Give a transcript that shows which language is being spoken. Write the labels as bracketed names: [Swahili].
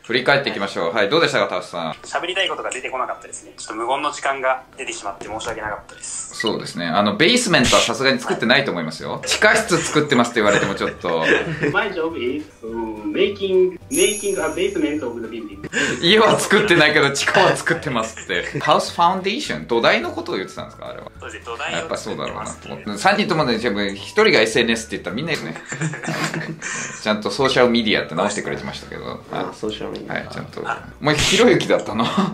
[Japanese] 振り返っていきましょう。はい、はい、どうでしたか、タワシさん。喋りたいことが出てこなかったですね。ちょっと無言の時間が出てしまって申し訳なかったです。そうですね、あのベースメントはさすがに作ってないと思いますよ。地下室作ってますって言われてもちょっと。 [English] My job is making a basement of the building. [Japanese] 家は作ってないけど地下は作ってますって。 [English] House foundation? [Japanese] 土台のことを言ってたんですか、あれは。そうです、土台を。やっぱそうだろうなと思って。3人ともね、全部1人が SNS って言ったらみんなですね。ちゃんとソーシャルメディアって直してくれてましたけど。あ、ソーシャルメディア、はい、ちゃんと。お前ひろゆきだったの。